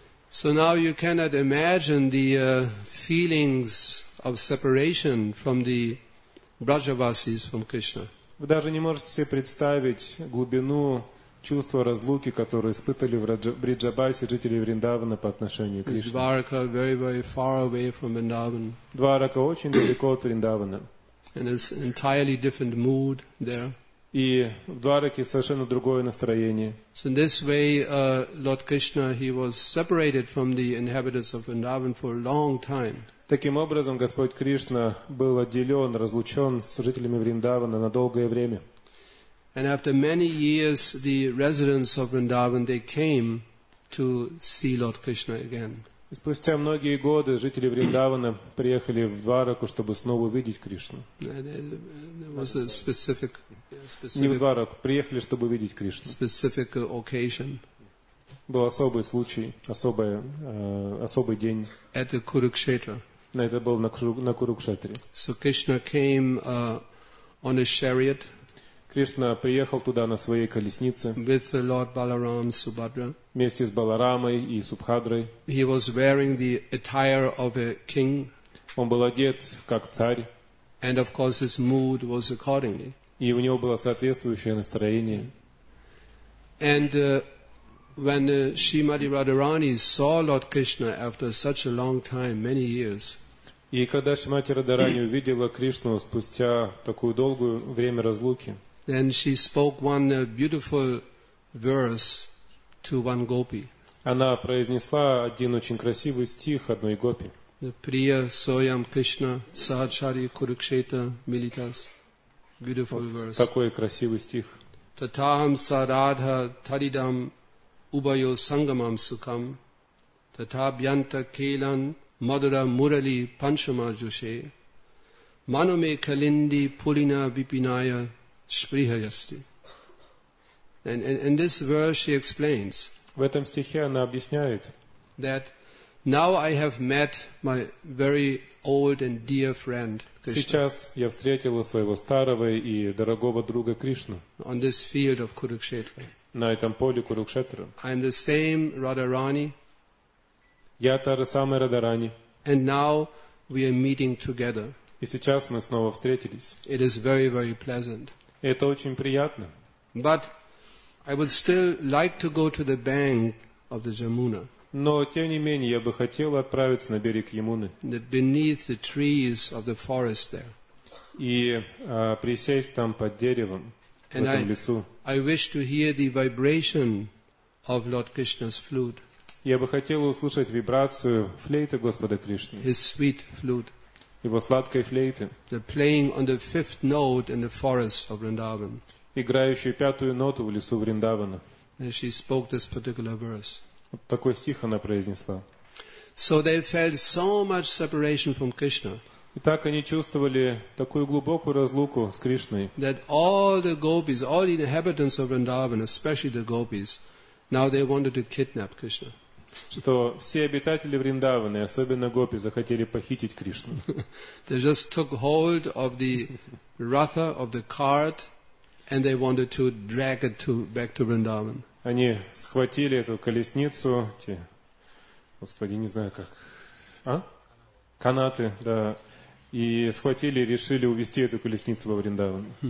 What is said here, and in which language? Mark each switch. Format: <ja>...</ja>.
<en>So now you cannot imagine the feelings of separation from the Brajavasis from Krishna.</en> <ru>Вы даже не можете себе представить глубину чувства разлуки, которое испытывали Бриджабаси, жители Вриндавана по отношению к Кришне.</ru> <en>Дварака very, very far away from Vrindavan.</en> <ru>Дварака очень далеко от Вриндавана.</ru> <en>And it's an entirely different mood there.</en> <ru>И в Двараке совершенно другое настроение.</ru> <en>So in this way, Lord Krishna, he was separated from the inhabitants of Vrindavan for a long time.</en> <ru>Таким образом, Господь Кришна был отделен, разлучен с жителями Вриндавана на долгое время.</ru> <en>And after many years, the residents of Vrindavan, they came to see Lord Krishna again.</en> <ru>Спустя многие годы жители Вриндавана приехали в Двараку, чтобы снова увидеть Кришну. Не в Двараку, приехали, чтобы увидеть Кришну.</ru> <en>Specific occasion.</en> <ru>Был особый случай, особый день.</ru> <en>At the Kurukshetra.</en> <ru>Это было на Курукшетре.</ru> <en>So Krishna came on a chariot.</en> <ru>Кришна приехал туда на своей колеснице.</ru> <en>With Lord Balaram Subhadra.</en> <ru>Вместе с Баларамой и Субхадрой.</ru> <en>He was wearing the attire of a king.</en> <ru>Он был одет как царь.</ru> <en>And of course his mood was accordingly.</en> <ru>И у него было соответствующее настроение.</ru> <en>And when Srimati Radharani saw Lord Krishna after such a long time, many years.</en> <ru>И когда Шримати Радхарани увидела Кришну спустя такое долгое время разлуки.</ru> <en>Then she spoke one beautiful verse to one gopi.</en> <ru>Она произнесла один очень красивый стих одной гопи.</ru> <sa>Priya Soyam Krishna Sahachari Kurukshetra Militas.</sa> <en>Beautiful verse.</en> <ru>Такой красивый стих.</ru> <sa>Татахам Сарадха Тадидам Убайо Сангамам Сукам Татабьянта Келан Мадура Мурали Паншама Джоше Маноме Калинди Пулина Випиная Шприхаясти.</sa> <en>And in this verse she explains.</en> <ru>В этом стихе она объясняет.</ru> <en>That now I have met my very old and dear friend Krishna.</en> <ru>Сейчас я встретила своего старого и дорогого друга Кришну.</ru> <en>On this field of Kurukshetra.</en> <ru>На этом поле Курукшетра.</ru> <en>I am the same Radharani.</en> <ru>Я та же самая Радарани.</ru> <en>And now we are meeting together.</en> <ru>И сейчас мы снова встретились.</ru> <en>It is very, very pleasant.</en> <ru>Это очень приятно.</ru> <en>But I would still like to go to the bank of the Yamuna.</en> <ru>Но тем не менее я бы хотел отправиться на берег Ямуны.</ru> <en>Beneath the trees of the forest there.</en> <ru>И присесть там под деревом в этом лесу.</ru> <en>I wish to hear the vibration of Lord Krishna's flute.</en> <ru>Я бы хотел услышать вибрацию флейты Господа Кришны.</ru> <en>His sweet flute.</en> <ru>Его сладкой флейты.</ru> <en>The playing on the fifth note in the forest of Vrindavan.</en> <ru>Играющую пятую ноту в лесу Вриндавана.</ru> <en>She spoke this particular verse.</en> <ru>Вот такой стих она произнесла.</ru> <en>So they felt so much separation from Krishna.</en> <ru>И так они чувствовали такую глубокую разлуку с Кришной.</ru> <en>That all the gopis, all the inhabitants of Vrindavan, especially the gopis, now they wanted to kidnap Krishna.</en> <ru>Что все обитатели Вриндавана, особенно гопи, захотели похитить Кришну.</ru> <en>They just took hold of the ratha of the cart. And they wanted to drag it to back to Vrindavan.</en> <ru>Они схватили эту колесницу, те, господи, не знаю как, а? Канаты, да, и схватили, решили увести эту колесницу во Вриндаван.</ru>